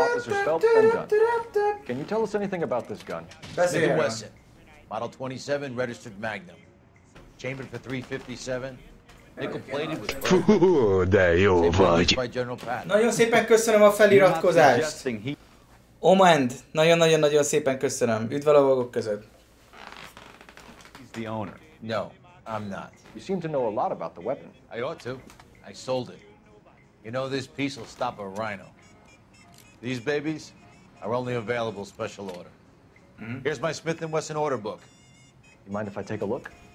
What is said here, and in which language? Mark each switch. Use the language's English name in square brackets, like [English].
[English] Can you tell us anything about this gun? Smith & Wesson, Model 27, registered Magnum, chambered for 357, nickel plated with. [Hungarian] De jó vagy. Nagyon szépen köszönöm a feliratkozást. Omend, nagyon szépen köszönöm. Üdv a lovagok között. [English] He's the owner. No, I'm not. You seem to know a lot about the weapon. I ought to. I sold it. You know this piece will stop a rhino. These babies are only available special order. Mm-hmm. Here's my Smith & Wesson order book. You mind if I take a look?